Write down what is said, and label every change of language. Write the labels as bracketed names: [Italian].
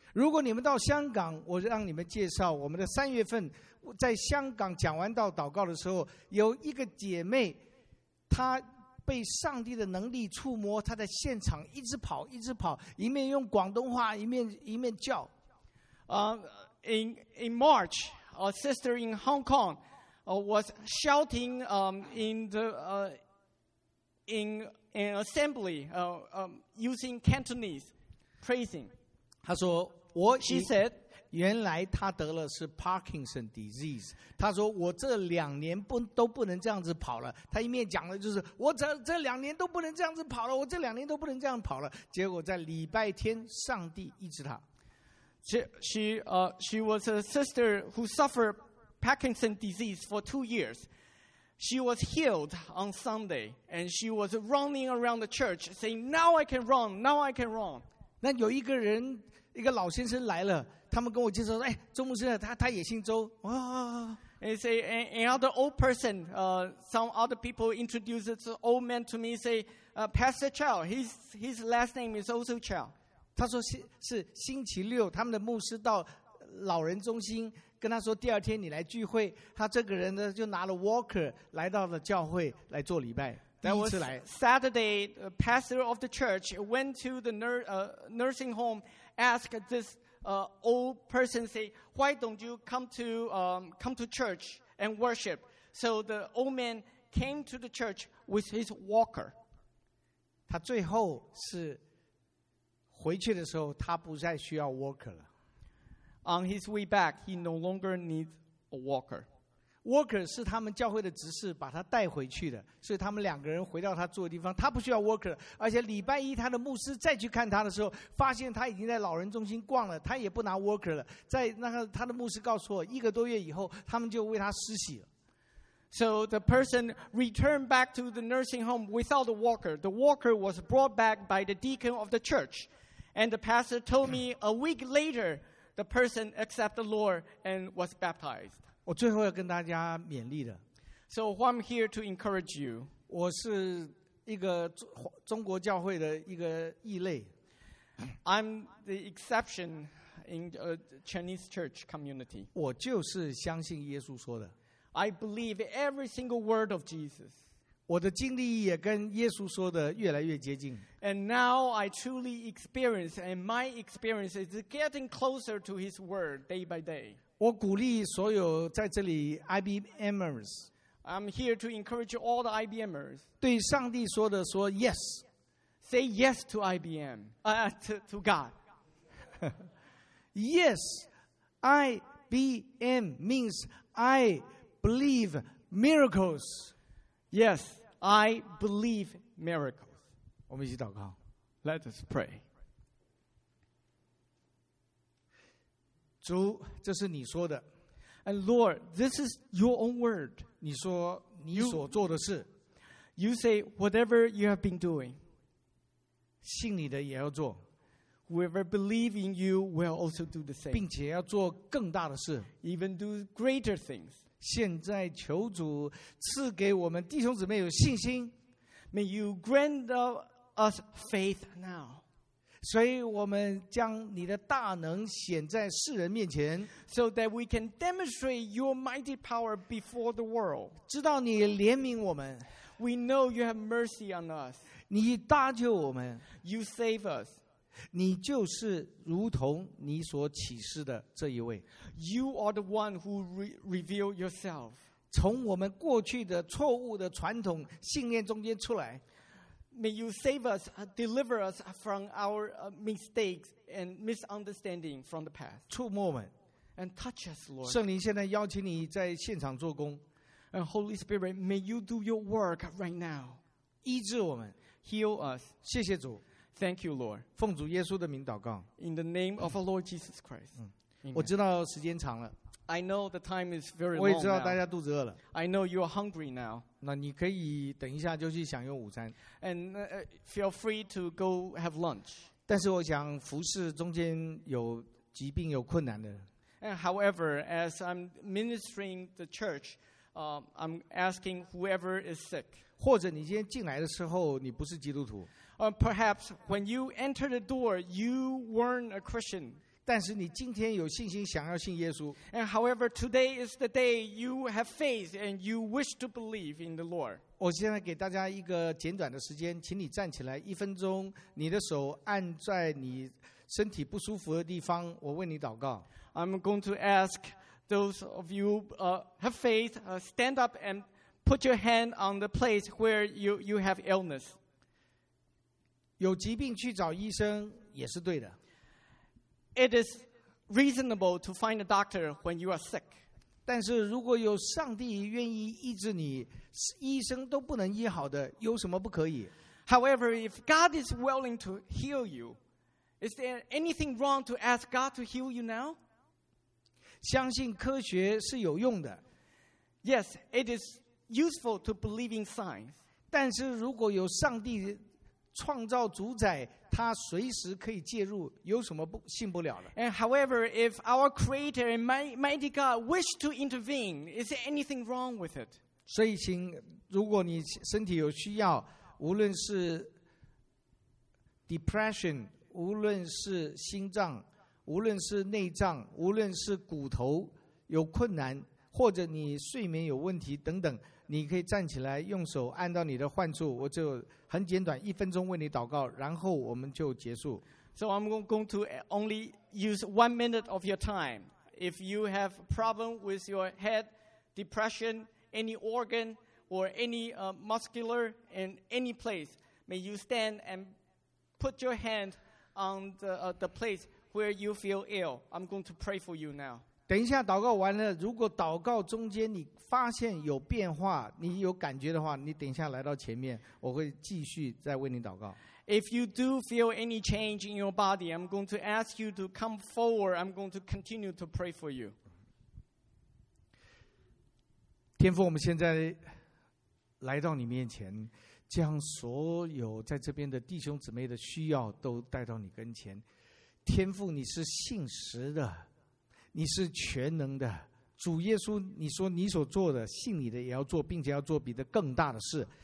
[Chinese] 如果你们到香港，我让你们介绍我们的三月份在香港讲完道祷告的时候，有一个姐妹，她被上帝的能力触摸，她在现场一直跑，一直跑，一面用广东话，一面叫。 [English] In March, a sister in Hong Kong, was shouting in an assembly, using Cantonese, praising. [Chinese] 她说我 [English] She said, [Chinese] 原来她得了是 Parkinson disease. 她说我这两年都不能这样子跑了。她一面讲的就是我这两年都不能这样子跑了，我这两年都不能这样跑了。结果在礼拜天，上帝医治她。 [English] She was a sister who suffered Parkinson disease for 2 years. She was healed on Sunday, and she was running around the church, saying, "Now I can run, now I can run." [Chinese] 那有一个人，一个老先生来了，他们跟我介绍说，哎，周牧师，他也姓周，哇。 [English] And say, another old person, some other people introduced this old man to me, say, Pastor Chow, his last name is also Chow. [Chinese] 他说是星期六，他们的牧师到老人中心。跟他说第二天你来聚会，他这个人呢就拿了 walker 来到了教会来做礼拜。 [English] That was Saturday, the pastor of the church went to the nursing home, asked this old person, say, "Why don't you come to church and worship?" So the old man came to the church with his walker. [Chinese] 他最后是回去的时候，他不再需要 walker 了。 [English] On his way back, he no longer needs a walker. [Chinese] Walker 是他们教会的执事把他带回去的，所以他们两个人回到他住的地方，他不需要 walker。而且礼拜一他的牧师再去看他的时候，发现他已经在老人中心逛了，他也不拿 walker 了。在那个他的牧师告诉我，一个多月以后，他们就为他施洗了。 [English] So the person returned back to the nursing home without a walker. The walker was brought back by the deacon of the church, and the pastor told me a week later. The person accepted the Lord and was baptized. [Chinese] 我最后要跟大家勉励的。 [English] So I'm here to encourage you. [Chinese] 我是一个中国教会的一个异类。 [English] I'm the exception in a Chinese church community. [Chinese] 我就是相信耶稣说的。 [English] I believe every single word of Jesus. [Chinese] 我的经历也跟耶稣说的越来越接近。 [English] And now I truly experience, and my experience is getting closer to His Word day by day. [Chinese] 我鼓励所有在这里 IBMers. [English] I'm here to encourage all the IBMers. [Chinese] 对上帝说的说 yes. [English] Say yes to IBM. To God. Yes, IBM means I believe miracles. Yes, I believe miracles. [Chinese] 我们一起祷告。 [English] Let us pray. [Chinese] 主，这是你说的。 [English] And Lord, this is your own word. [Chinese] 你说你所做的事。 [English] You say whatever you have been doing. [Chinese] 信你的也要做。 [English] Whoever believes in you will also do the same. [Chinese] 并且要做更大的事。 [English] Even do greater things. [Chinese] 现在求主赐给我们弟兄姊妹有信心。 [English] May you grant us faith now. [Chinese] 所以我们将你的大能显在世人面前。 [English] So that we can demonstrate your mighty power before the world. [Chinese] 知道你怜悯我们。 [English] We know you have mercy on us. [Chinese] 你搭救我们。 [English] You save us. [Chinese] 你就是如同你所启示的这一位。 [English] You are the one who reveal yourself. [Chinese] 从我们过去的错误的传统信念中间出来。 [English] May you save us, deliver us from our mistakes and misunderstanding from the past. [Chinese] 触摸我们 [English] and touch us, Lord. [Chinese] 圣灵现在邀请你在现场做工 [English] and Holy Spirit, may you do your work right now. [Chinese] 医治我们 [English] heal us. [Chinese] 谢谢主 [English] Thank you, Lord. [Chinese] 奉主耶稣的名祷告。 [English] In the name of our Lord Jesus Christ. [Chinese] 我知道时间长了。 [English] I know the time is very long. [Chinese] 我也知道大家肚子饿了。 [English] I know you are hungry now. [Chinese] 那你可以等一下就去享用午餐。 [English] And feel free to go have lunch. [Chinese] 但是我想服事中间有疾病有困难的。 [English] And however, as I'm ministering the church, I'm asking whoever is sick. [Chinese] 或者你今天进来的时候，你不是基督徒。 [English] Perhaps when you enter the door, you weren't a Christian. [Chinese] 但是你今天有信心想要信耶稣。 [English] And however, today is the day you have faith and you wish to believe in the Lord. [Chinese] 我现在给大家一个简短的时间，请你站起来一分钟，你的手按在你身体不舒服的地方，我为你祷告。 [English] I'm going to ask those of you have faith, stand up and put your hand on the place where you have illness. [Chinese] 有疾病去找医生也是对的。 [English] It is reasonable to find a doctor when you are sick. [Chinese] 但是如果有上帝愿意医治你，医生都不能医好的，有什么不可以？ [English] However, if God is willing to heal you, is there anything wrong to ask God to heal you now? [Chinese] 相信科学是有用的。 [English] Yes, it is useful to believe in science. [Chinese] 但是如果有上帝创造主宰，他随时可以介入，有什么不信不了的？ [English] And however, if our Creator and Mighty God wish to intervene, is there anything wrong with it? [Chinese] 所以请，如果你身体有需要，无论是 depression, 无论是心脏，无论是内脏，无论是骨头有困难，或者你睡眠有问题等等，你可以站起来，用手按到你的患处。我就很简短，一分钟为你祷告，然后我们就结束。 [English] So I'm going to only use 1 minute of your time. If you have problem with your head, depression, any organ or any muscular in any place, may you stand and put your hand on the place. Where you feel ill, I'm going to pray for you now. [Chinese] 等一下祷告完了，如果祷告中间你发现有变化，你有感觉的话，你等一下来到前面，我会继续再为你祷告。 [English] If you do feel any change in your body, I'm going to ask you to come forward. I'm going to continue to pray for you. [Chinese] 天父，我们现在来到你面前，将所有在这边的弟兄姊妹的需要都带到你跟前。天父，你是信实的，你是全能的。主耶稣，你说你所做的，信你的也要做，并且要做比这更大的事。